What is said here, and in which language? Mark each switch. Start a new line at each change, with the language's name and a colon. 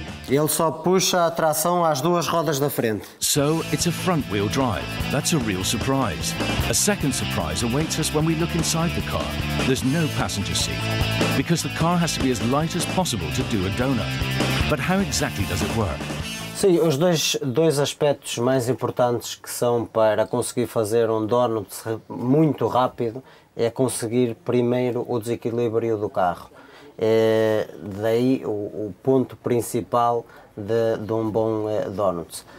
Portuguese: Ele só puxa a tração às duas rodas da frente.
English: So it's a front-wheel drive. That's a real surprise. A second surprise awaits us when we look inside the car. There's no passenger seat because the car has to be as light as possible to do a doughnut. But how exactly does it work?
Portuguese: Sim, os dois aspectos mais importantes que são para conseguir fazer um doughnut muito rápido é conseguir primeiro o desequilíbrio do carro. É daí o ponto principal de um bom doughnut.